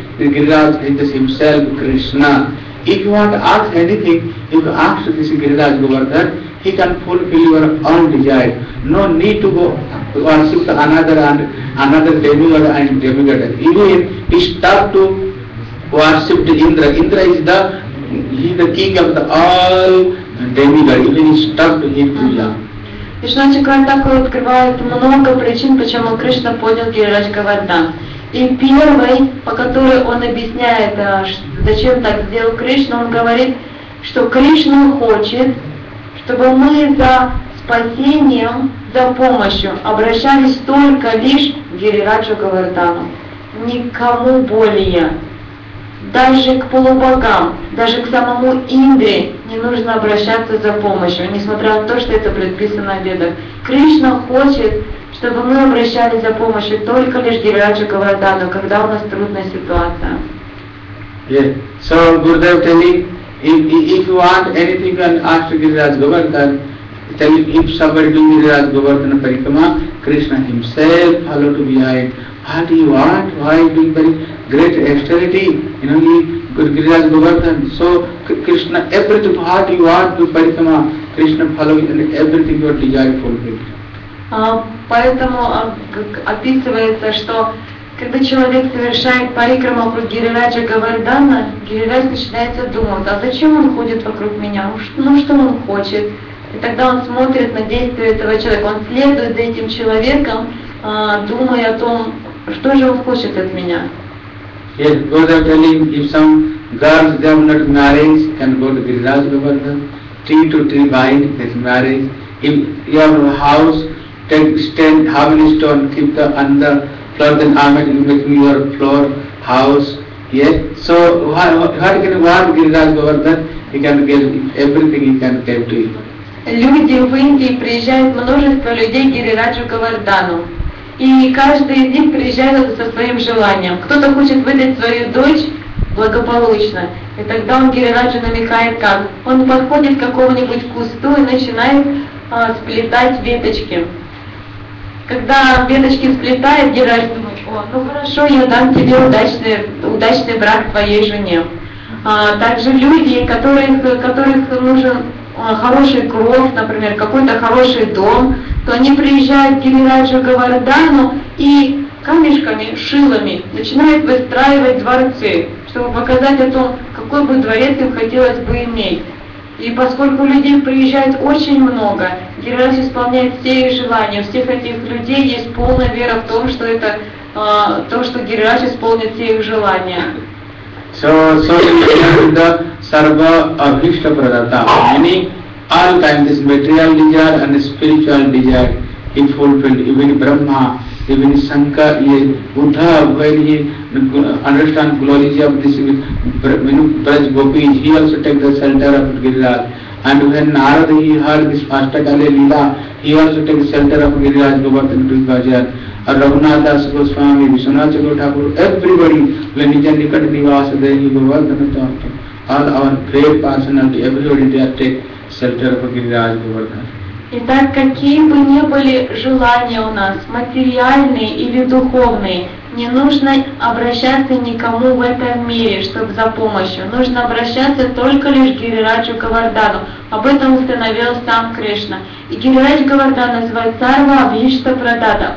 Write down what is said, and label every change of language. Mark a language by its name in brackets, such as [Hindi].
[English] Giriraj is himself Krishna. If you want to ask anything, if you ask this Giriraj Govardhan, he can fulfill your own desire. No need to go worship to another demigod and demigod. Even he start to worship to Indra. Indra is the, he is the king of the all demigod. Even he start to him to Yama. [Russian] Кришна Чакра Такур открывает много причин, почему Кришна поднял Гирираджа Говардхан. И первый, по которой он объясняет, зачем так сделал Кришна, он говорит, что Кришна хочет, чтобы мы за спасением, за помощью обращались только лишь к Гирираджу Говардхану, никому более. Даже к полубогам, даже к самому Индре не нужно обращаться за помощью, несмотря на то, что это предписано в Ведах. Кришна хочет, чтобы мы обращались за помощью только лишь к Гирираджу Говардхану, когда у нас трудная ситуация. [English] Yes. So, Gurudev telling, if you want anything, you can ask Giriraj Govardhan. Telling, if somebody do Giriraj Govardhan Parikrama, Krishna himself follow to behind. What do you want? Why are you doing very great austerity? You know, he, Giriraj Govardhan. So, Krishna, everything, what you want to Parikrama, Krishna following, and everything your desire fulfilled. [Russian] Поэтому описывается, что когда человек совершает парикраму вокруг Гирираджа Говардхана, Гирирадж начинается думать, а зачем он ходит вокруг меня? Ну, что он хочет? И тогда он смотрит на действия этого человека, он следует за этим человеком, думая о том, что же он хочет от меня. [English] Yes, Gurudev telling, if some girls, they have not married, can go to Giriraj Govardhan. tree to tree bind this marriage. If your house take stand, how many stone keep the under floor, then I will make your floor house. Yes. So what can warm Giriraj Govardhan? He can give everything, he can tell to you. [Russian] Люди в Индии приезжают, множество людей Гирираджу Говардхану. И каждый из них приезжает со своим желанием. Кто-то хочет выдать свою дочь благополучно. И тогда он Гирираджу намекает как? Он подходит к какому-нибудь кусту и начинает сплетать веточки. Когда веточки сплетает, Гирирадж думает, о, ну хорошо, я дам тебе удачный брак твоей жене. Также люди, которых нужен хороший кров, например, какой-то хороший дом, то они приезжают к Гирираджу Говардхану и камешками, шилами начинают выстраивать дворцы, чтобы показать о том, какой бы дворец им хотелось бы иметь. И поскольку людей приезжает очень много, Гирирадж исполняет все их желания. У всех этих людей есть полная вера в том, что это то, что Гирирадж исполнит все их желания. [English] So Sarva Abhishta Pradata, meaning all kinds, this material desire and spiritual desire he fulfilled, even Brahma, even Sankar, yes, Buddha, when he understand glories of this Braj Gopis, he also take the shelter of Giriraj. And when Narada, he heard this Ashtakale Lila, he also take the shelter of Giriraj Govardhan Bhajan. Raghunath Das Goswami, Vishwanath Chakur Thakur, everybody, when he can Nikat Nivasa, then he Govardhan Bhajan. All our great personality, everybody they take shelter of Giriraj Govardhan. [Russian] Итак, какие бы ни были желания у нас, материальные или духовные, не нужно обращаться никому в этом мире, чтобы за помощью. Нужно обращаться только лишь к Гирираджу Говардхану. Об этом установил сам Кришна. И Гирирадж Говардхан называет Сарва Абхишта Прадата.